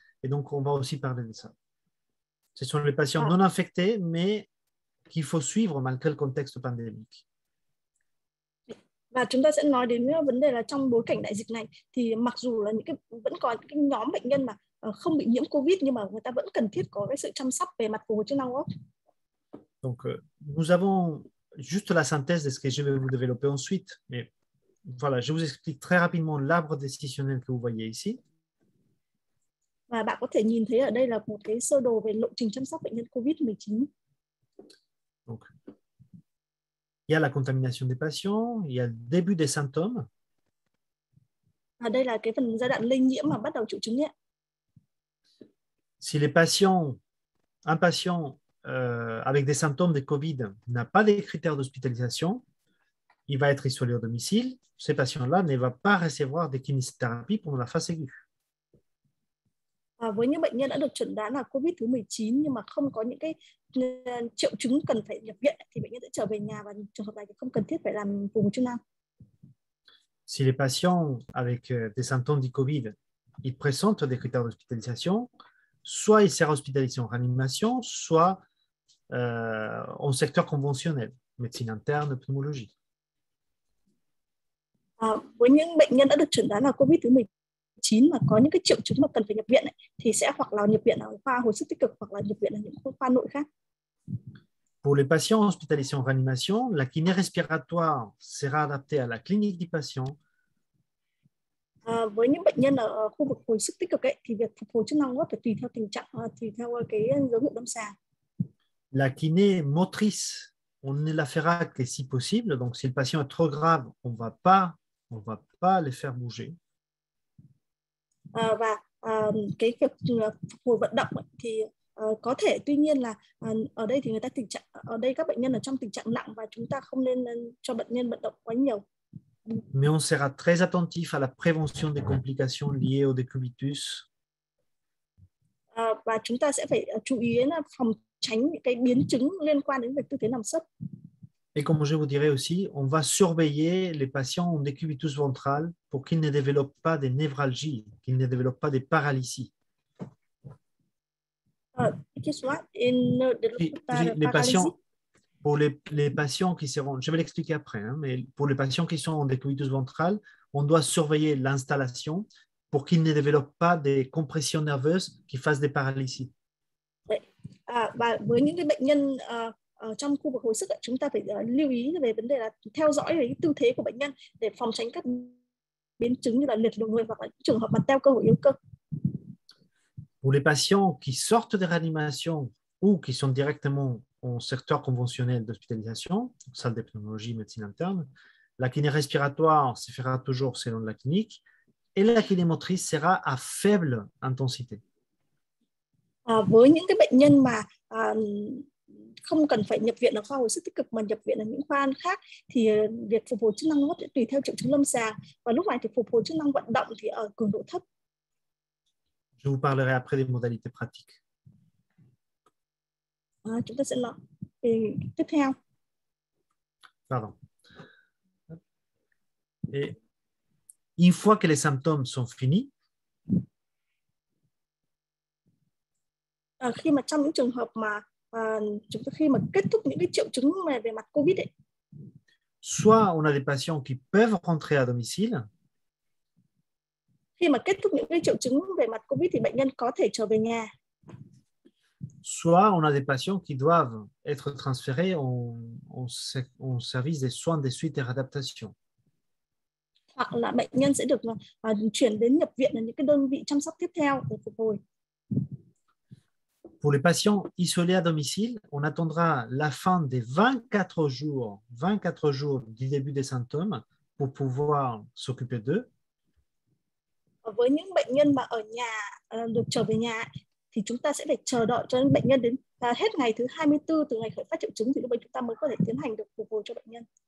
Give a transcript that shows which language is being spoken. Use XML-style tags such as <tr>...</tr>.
<fr>Et donc, on va aussi parler de ça. Ce sont les patients non infectés, mais qu'il faut suivre malgré le contexte pandémique.</fr> <vi>Và chúng ta sẽ nói đến vấn đề là trong bối cảnh đại dịch này, thì mặc dù là vẫn có cái nhóm bệnh nhân mà không bị nhiễm COVID, nhưng mà người ta vẫn cần thiết có cái sự chăm sóc về mặt phục hồi chức năng đó.</vi> <fr>Donc, nous avons juste la synthèse de ce que je vais vous développer ensuite. Mais voilà, je vous explique très rapidement l'arbre décisionnel que vous voyez ici.</fr> <vi>Và bạn có thể nhìn thấy ở đây là một cái sơ đồ về lộ trình chăm sóc bệnh nhân COVID-19.</vi> <fr>Donc, il y a la contamination des patients, il y a le début des symptômes.</fr> <vi>À đây là cái phần giai đoạn lây nhiễm mà bắt đầu triệu chứng ấy.</vi> <fr>Si les patients, un patient avec des symptômes de COVID n'a pas des critères d'hospitalisation, il va être isolé au domicile. Ces patients-là ne vont pas recevoir des kinésithérapies pendant la phase aiguë.</fr> <vi>Với những bệnh nhân đã được chẩn đoán là COVID-19 nhưng mà không có những cái triệu chứng cần phải nhập viện thì bệnh nhân sẽ trở về nhà và trường hợp này thì không cần thiết phải làm phục hồi chức năng.</vi> <fr>Si les patients avec des symptômes du COVID, ils présentent des critères d'hospitalisation, soit ils seront hospitalisés en réanimation, soit en secteur conventionnel, médecine interne, pneumologie.</fr> <vi>Với những bệnh nhân đã được chẩn đoán là COVID-19 mà có những cái triệu chứng mà cần phải nhập viện ấy, thì sẽ hoặc là nhập viện ở khoa hồi sức tích cực hoặc là nhập viện ở những khoa nội khác.</vi> <fr>Pour les patients hospitalisés en réanimation, la kiné respiratoire sera adaptée à la clinique du patient.</fr> <vi>Với những bệnh nhân ở khu vực hồi sức tích cực ấy, thì việc phục hồi chức năng phải tùy theo tình trạng, tùy theo cái dấu hiệu lâm sàng.</vi> <fr>La kiné motrice, on ne la fera que si possible. Donc, si le patient est trop grave, on va pas les faire bouger.</fr> <vi>Và cái việc phục hồi vận động ấy, thì có thể, tuy nhiên là ở đây thì người ta tình trạng ở đây các bệnh nhân ở trong tình trạng nặng và chúng ta không nên cho bệnh nhân vận động quá nhiều.</vi> <fr>Mais on sera très attentif à la prévention des complications liées au décubitus.</fr> <vi>Và chúng ta sẽ phải chú ý đến phòng tránh những cái biến chứng liên quan đến việc tư thế nằm sấp.</vi> <fr>Et comme je vous dirais aussi, on va surveiller les patients en décubitus ventral pour qu'ils ne développent pas des névralgies, qu'ils ne développent pas des paralysies. Les patients, pour les patients qui seront, je vais l'expliquer après, hein, mais pour les patients qui sont en décubitus ventral, on doit surveiller l'installation pour qu'ils ne développent pas des compressions nerveuses qui fassent des paralysies.</fr> <vi>Với những bệnh nhân trong khu vực hồi sức, chúng ta phải lưu ý về vấn đề là theo dõi về tư thế của bệnh nhân để phòng tránh các biến chứng như là liệt đầu người hoặc là những trường hợp mà teo cơ hoặc yếu cơ.</vi> <fr>Pour les patients qui sortent de réanimation ou qui sont directement en secteur conventionnel d'hospitalisation, salle de pneumologie, médecine interne, la kiné respiratoire se fera toujours selon la clinique et la kiné motrice sera à faible intensité.</fr> <vi>Với những cái bệnh nhân mà không cần phải nhập viện ở khoa hồi sức tích cực mà nhập viện ở những khoa khác thì việc phục hồi chức năng hô hấp tùy theo triệu chứng lâm sàng và lúc này thì phục hồi chức năng vận động thì ở cường độ thấp.</vi> <fr>Je vous parlerai après des modalités pratiques.</fr> <vi>Chúng ta sẽ nói tiếp theo.</vi> <fr>Pardon. Et une fois que les symptômes sont finis,</fr> <vi>khi mà trong những trường hợp mà chúng ta khi mà kết thúc những cái triệu chứng mà về mặt COVID ấy,</vi> <fr>soit on a des patients qui peuvent rentrer à domicile.</fr> <vi>Khi mà kết thúc những cái triệu chứng về mặt COVID thì bệnh nhân có thể trở về nhà.</vi> <fr>Soit on a des patients qui doivent être transférés en service des soins de suite et réadaptation.</fr> <vi>Hoặc là bệnh nhân sẽ được chuyển đến nhập viện ở những cái đơn vị chăm sóc tiếp theo để phục hồi.</vi> <fr>Pour les patients isolés à domicile, on attendra la fin des 24 jours du début des symptômes pour pouvoir s'occuper d'eux.</fr> <vi>Với những bệnh nhân mà ở nhà được trở về nhà thì chúng ta sẽ phải chờ đợi cho những bệnh nhân đến hết ngày thứ 24 từ ngày khởi phát triệu chứng thì lúc đó chúng ta mới có thể tiến hành được phục hồi cho bệnh nhân.</vi>